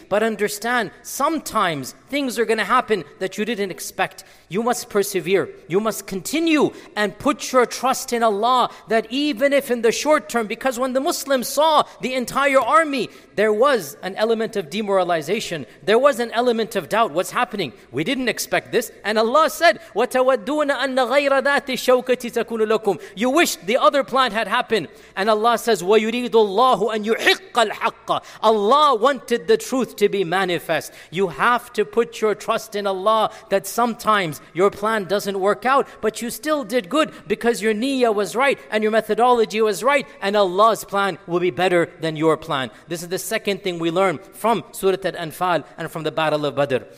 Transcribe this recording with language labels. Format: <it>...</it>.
<en>But understand, sometimes things are going to happen that you didn't expect. You must persevere. You must continue and put your trust in Allah that even if in the short term, because when the Muslims saw the entire army, there was an element of demoralization. There was an element of doubt. What's happening? We didn't expect this. And Allah said,</en> <ar>وَتَوَدُّونَ أَنَّ غَيْرَ ذَاتِ الشَّوْكَةِ تَكُونُ لَكُمْ.</ar> <en>You wished the other plan had happened. And Allah says,</en> <ar>وَيُرِيدُ اللَّهُ أَنْ يُحِقَّ الْحَقَّ.</ar> <en>Allah wanted the truth to be manifest. You have to put your trust in Allah that sometimes your plan doesn't work out, but you still did good because your niyyah was right and your methodology was right, and Allah's plan will be better than your plan. This is the second thing we learn from Surah Al-Anfal and from the Battle of Badr.</en>